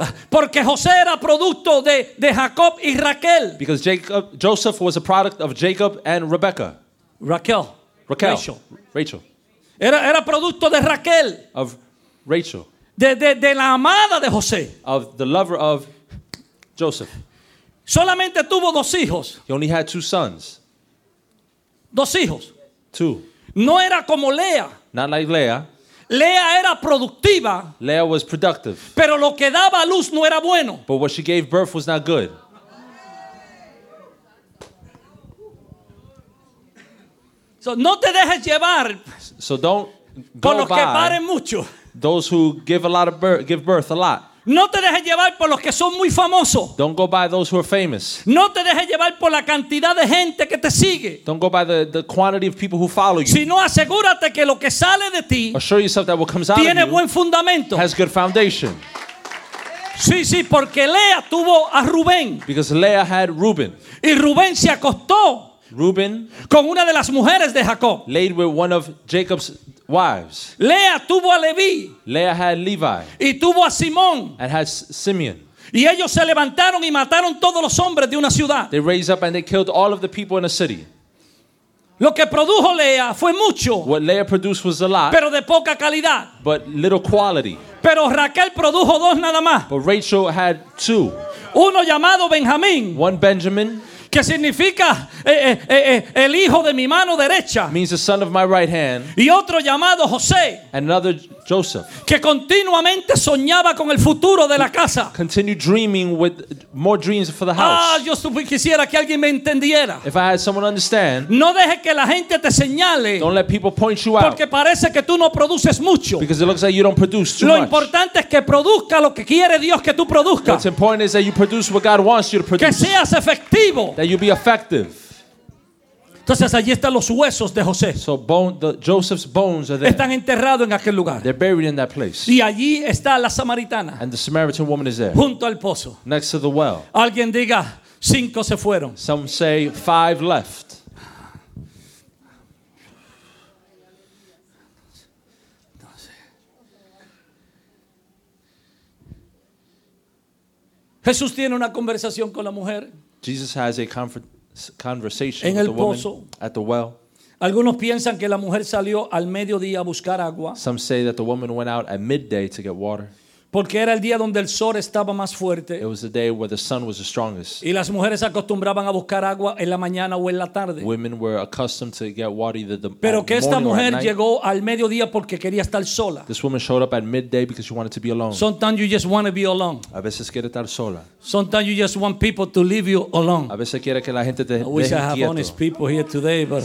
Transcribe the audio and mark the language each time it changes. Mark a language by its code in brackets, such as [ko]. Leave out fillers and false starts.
[es] Porque José era producto de Jacob y Raquel. [en] Because Jacob, Joseph was a product of Jacob and Rebecca. [es] Raquel. [en] Rachel. Rachel. [es] Era producto de Raquel. [en] Of Rachel. [es] De la amada de José. [en] Of the lover of Joseph. [es] Solamente tuvo dos hijos. [en] He only had two sons. [es] Dos hijos. [en] Two. [es] No era como Lea. [en] Not like Lea. [es] Lea era productiva. [en] Lea was productive. [es] Pero lo que daba a luz no era bueno. [en] But what she gave birth was not good. [es] So no te dejes llevar. [en] So don't go [es] por los que paren mucho. [en] Those who give a lot of birth, give birth a lot. [es] No te dejes llevar por los que son muy famosos. [en] Don't go by those who are famous. [es] No te dejes llevar por la cantidad de gente que te sigue. [en] Don't go by the quantity of people who follow you. [es] Sino asegúrate que lo que sale de ti, [en] assure yourself that what comes out of you, [es] tiene buen fundamento. [en] Has good foundation. [es] Sí, sí, porque Lea tuvo a Rubén. [en] Because Lea had Reuben. [es] Y Rubén se acostó. [en] Reuben. [es] Con una de las mujeres de Jacob. [en] Laid with one of Jacob's wives. [es] Lea tuvo a Leví. [en] Lea had Levi. [es] Y tuvo a Simón. [en] And had Simeon. [es] Y ellos se levantaron y mataron todos los hombres de una ciudad. [en] They raised up and they killed all of the people in a city. [es] Lo que produjo Lea fue mucho. [en] What Lea produced was a lot. [es] Pero de poca calidad. [en] But little quality. [es] Pero Raquel produjo dos nada más. [en] But Rachel had two. [es] Uno llamado Benjamín. [en] One Benjamin. [es] que significa el hijo de mi mano derecha, [en] means the son of my right hand, [es] y otro llamado José, [en] and another Joseph, [es] que continuamente soñaba con el futuro de la casa. [en] Continued dreaming with more dreams for the house. [es] Ah, yo quisiera que alguien me entendiera. [en] If I had someone understand, [es] no deje que la gente te señale, [en] don't let people point you [es] porque [en] out, [es] porque parece que tú no produces mucho, [en] because it looks like you don't produce too [es] lo [en] much. [es] Importante es que produzca lo que quiere Dios que tú produzca. [en] What's important is that you produce what God wants you to produce. [es] Que seas efectivo. [en] That you be effective. [es] Entonces allí están los huesos de José. [en] So Joseph's bones are there. [es] Están enterrados en aquel lugar. [en] They're buried in that place. [es] Y allí está la samaritana. [en] And the Samaritan woman is there. [es] Junto al pozo. [en] Next to the well. [es] Alguien diga, cinco se fueron. [en] Some say five left. [es] Jesús tiene una conversación con la mujer. [en] Jesus has a conversation [es] en el [en] with the [es] pozo. [en] Woman at the well. [es] Algunos piensan que la mujer salió al mediodía a buscar agua. [en] Some say that the woman went out at midday to get water. [es] Porque era el día donde el sol estaba más fuerte. [en] It was the day where the sun was the strongest. [es] Y las mujeres acostumbraban a buscar agua en la mañana o en la tarde. [en] Women were accustomed to get water either the [es] pero que esta mujer llegó al mediodía porque quería estar sola. [en] This woman showed up at midday because she wanted to be alone. Sometimes you just want to be alone. [es] A veces quiere estar sola. [en] Sometimes you just want people to leave you alone. [es] A veces quiere que la gente te [en] I wish I had honest people here today, but